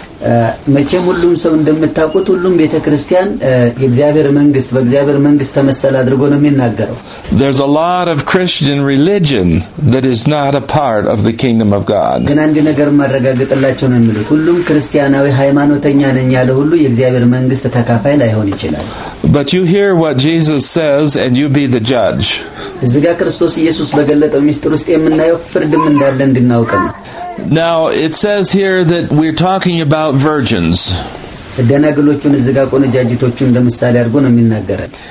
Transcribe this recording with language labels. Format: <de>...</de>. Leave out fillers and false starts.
<en>There's a lot of Christian religion that is not a part of the kingdom of God. But you hear what Jesus says and you be the judge.</en> <am>እዚጋ ክርስቶስ ኢየሱስ በገለጠው ምስጢር ውስጥ የምናየው ፍርድም እንዳለ እንድናውቅ ነው።</am> <en>Now it says here that we're talking about virgins.</en> <am>ደነግሎቹን እዚጋ ቆንጃጅቶቹን ለምሳሌ አርጎ ነው የሚናገረው።</am>